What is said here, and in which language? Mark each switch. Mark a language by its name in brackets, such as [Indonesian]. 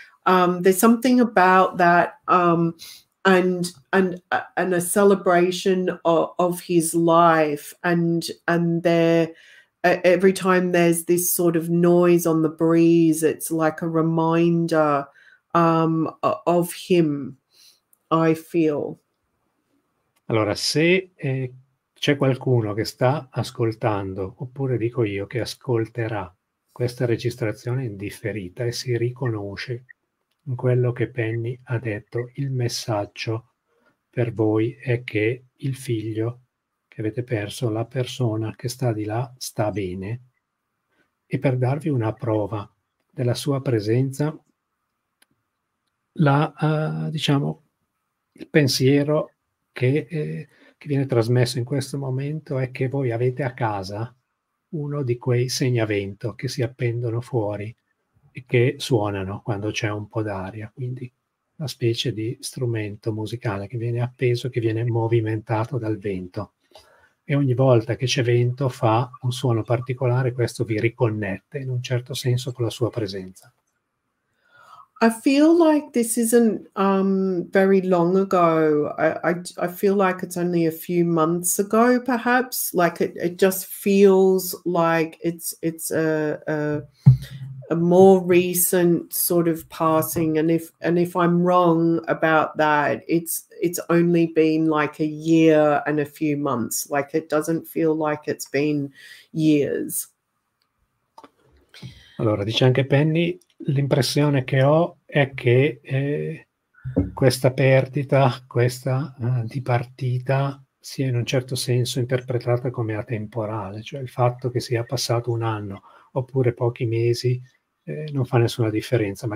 [English] There's something about that and a celebration of his life, and there, every time there's this sort of noise on the breeze, it's like a reminder of him, I feel. [Italian] Allora, se c'è qualcuno che sta ascoltando, oppure dico io, che ascolterà questa registrazione in differita e si riconosce in quello che Penny ha detto, il messaggio per voi è che il figlio che avete perso, la persona che sta di là, sta bene. E per darvi una prova della sua presenza, il pensiero che viene trasmesso in questo momento è che voi avete a casa uno di quei segnavento che si appendono fuori e che suonano quando c'è un po' d'aria, quindi una specie di strumento musicale che viene appeso, che viene movimentato dal vento. E ogni volta che c'è vento fa un suono particolare, questo vi riconnette in un certo senso con la sua presenza. [English] I feel like this isn't very long ago. I feel like it's only a few months ago, perhaps. Like it just feels like it's a more recent sort of passing. And if I'm wrong about that, it's only been like a year and a few months. Like it doesn't feel like it's been years. [Italian] Allora, dice anche Penny, l'impressione che ho è che questa perdita, questa dipartita sia in un certo senso interpretata come atemporale, cioè il fatto che sia passato un anno oppure pochi mesi non fa nessuna differenza.